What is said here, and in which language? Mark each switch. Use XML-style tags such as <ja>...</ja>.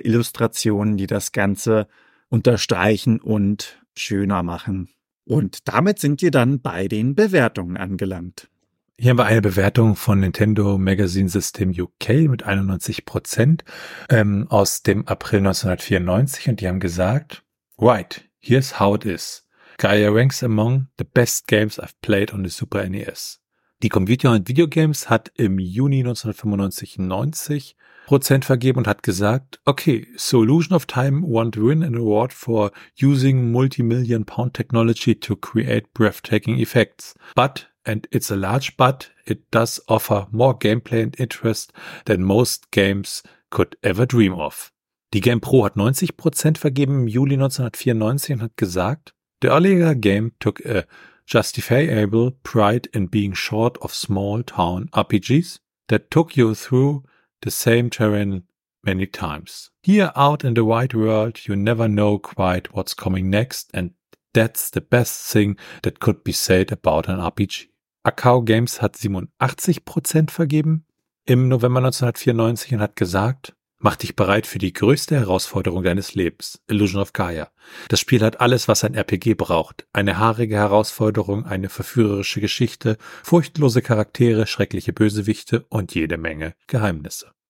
<de>Illustrationen, die das Ganze unterstreichen und schöner machen. Und damit sind wir dann bei den Bewertungen angelangt. Hier haben wir eine Bewertung von Nintendo Magazine System UK mit 91% aus dem April 1994 und die haben gesagt,</de> <en>right, here's how it is. Gaia ranks among the best games I've played on the Super NES.</en> <de>Die Computer und Videogames hat im Juni 1995 90% vergeben und hat gesagt,</de> <en>okay, so Illusion of Time won't win an award for using multi-million pound technology to create breathtaking effects. But, and it's a large but, it does offer more gameplay and interest than most games could ever dream of.</en> <de>Die GamePro hat 90% vergeben im Juli 1994 und hat gesagt,</de> <en>the earlier game took a justifiable pride in being short of small town RPGs that took you through the same terrain many times. Here out in the wide world, you never know quite what's coming next, and that's the best thing that could be said about an RPG.</en> <de>Akao Games hat 87% vergeben im November 1994 und hat gesagt, mach dich bereit für die größte Herausforderung deines Lebens, Illusion of Gaia. Das Spiel hat alles, was ein RPG braucht. Eine haarige Herausforderung, eine verführerische Geschichte, furchtlose Charaktere, schreckliche Bösewichte und jede Menge Geheimnisse.</de>